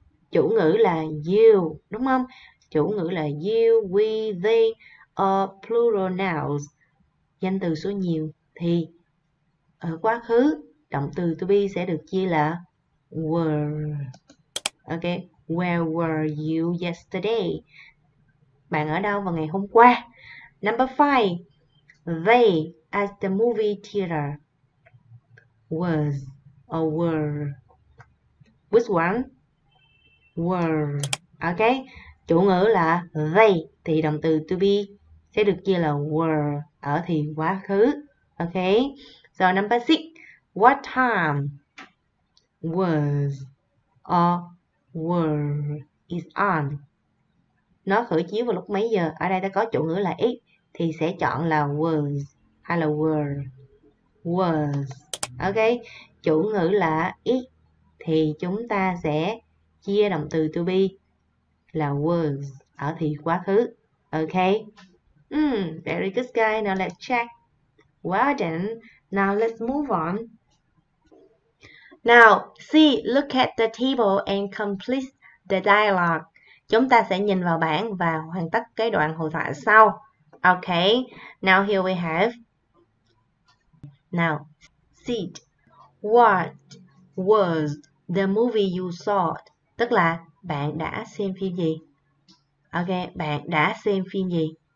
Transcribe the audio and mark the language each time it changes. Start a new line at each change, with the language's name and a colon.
Vietnamese: Chủ ngữ là you, đúng không? Chủ ngữ là you, we, they,
English: or plural nouns.
Vietnamese: Danh từ số nhiều thì ở quá khứ, động từ to be sẽ được chia là were. Ok,
English: where were you yesterday?
Vietnamese: Bạn ở đâu vào ngày hôm qua?
English: Number 5. They at the movie theater was or were. Which one? Were. Ok.
Vietnamese: Chủ ngữ là
English: they.
Vietnamese: Thì động từ to be sẽ được chia là were. Ở thì quá khứ. Ok.
English: So number 6. What time was or were is on?
Vietnamese: Nó khởi chiếu vào lúc mấy giờ? Ở đây ta có chủ ngữ là it. Thì sẽ chọn là was hay là were. Was. Ok. Chủ ngữ là it. Thì chúng ta sẽ chia động từ to be là was ở thì quá khứ.
English: Ok. Very good guy. Now let's check. Well done. Now let's move on. Now, see, look at the table and complete the dialogue.
Vietnamese: Chúng ta sẽ nhìn vào bảng và hoàn tất cái đoạn hội thoại sau.
English: Ok. Now here we have. Now, sit. What was the movie you saw?
Vietnamese: Tức là bạn đã xem phim gì? Ok, bạn đã xem phim gì?